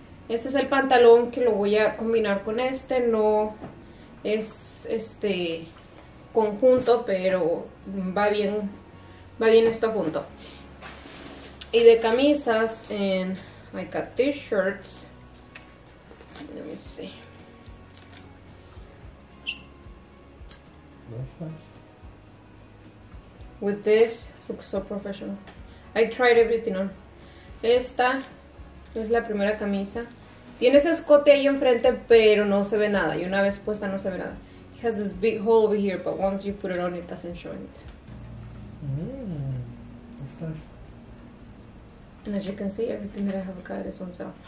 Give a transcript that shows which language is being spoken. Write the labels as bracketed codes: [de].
[es] Este es el pantalón que lo voy a combinar con este. No es este conjunto, pero va bien esto junto. Y de camisas, [en] and I got these shirts. Let me see. That's nice. With this, looks so professional. I tried everything on. [es] Esta es la primera camisa. Tiene ese escote ahí enfrente, pero no se ve nada. Y una vez puesta no se ve nada. [en] It has this big hole over here, but once you put it on, it doesn't show it. Mmm, that's nice. And as you can see, everything that I have got is on sale.